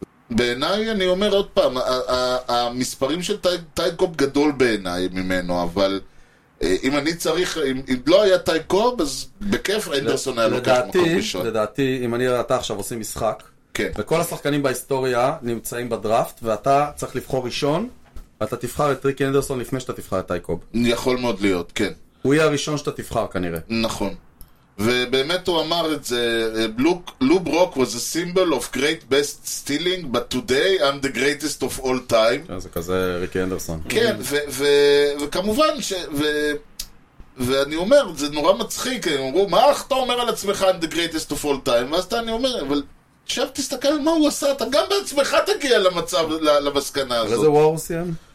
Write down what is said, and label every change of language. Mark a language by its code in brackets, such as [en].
[he] בעיניי, אני אומר עוד פעם, המספרים של טייקוב גדול בעיניי ממנו, אבל אם אני צריך, אם לא היה טייקוב, אז בכיף אנדרסון היה לוקח מקום ראשון. לדעתי, אם אני ראתה עכשיו עושים משחק, כן. וכל השחקנים בהיסטוריה נמצאים בדראפט, ואתה צריך לבחור ראשון, ואתה תבחר את ריקי אנדרסון לפני שאתה תבחר את טייקוב. יכול מאוד להיות, כן. הוא יהיה הראשון שאתה תבחר כנראה. נכון. ובאמת הוא אמר את זה, [en] לו ברוק was a symbol of great best stealing, but today I'm the greatest of all time. [he] זה כזה ריקי אנדרסון. כן, וכמובן, ואני אומר, זה נורא מצחיק, הם אמרו, מה אתה אומר על עצמך [en] I'm the greatest of all time? [he] ואז אני אומר, אבל עכשיו תסתכל מה הוא עשה, אתה גם בעצמך תגיע למצב, למסקנה הזאת. וזה וואו סיין?